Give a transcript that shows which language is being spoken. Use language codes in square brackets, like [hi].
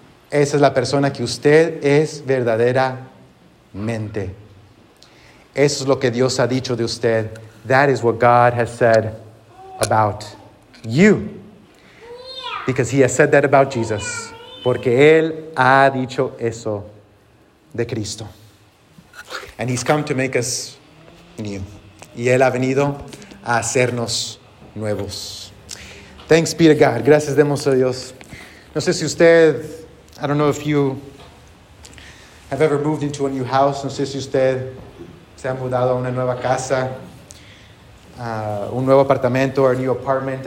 [es] Esa es la persona que usted es verdaderamente. Eso es lo que Dios ha dicho de usted. [en] That is what God has said about you. Because he has said that about Jesus. [es] Porque él ha dicho eso de Cristo. [en] And he's come to make us new. [es] Y él ha venido a hacernos nuevos. [en] Thanks be to God. [es] Gracias demos a Dios. No sé si usted, [en] I don't know if you have ever moved into a new house. [es] No sé si usted se ha mudado a una nueva casa, un nuevo apartamento, [en] or a new apartment.